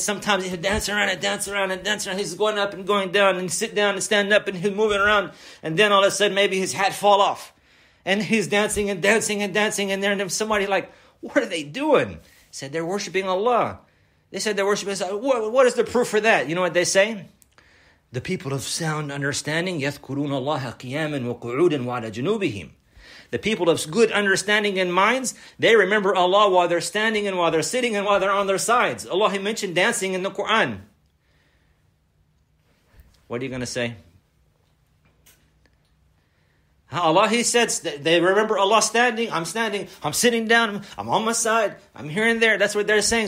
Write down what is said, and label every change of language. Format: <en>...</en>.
<en>Sometimes he dance around. He's going up and going down, and sit down and stand up, and he's moving around. And then all of a sudden, maybe his hat fall off, and he's dancing. And then somebody like, what are they doing? Said they're worshiping Allah. They said they're worshiping Allah. What is the proof for that? You know what they say? The people of sound understanding,</en> <ar>يَذْكُرُونَ اللَّهَ قِيَامًا وَقُعُودًا وَعَلَى جُنُوبِهِمْ.</ar> <en>The people of good understanding and minds, they remember Allah while they're standing and while they're sitting and while they're on their sides. Allah, He mentioned dancing in the Quran. What are you going to say? Allah, He says, they remember Allah standing, I'm standing, I'm sitting down, I'm on my side, I'm here and there. That's what they're saying.</en>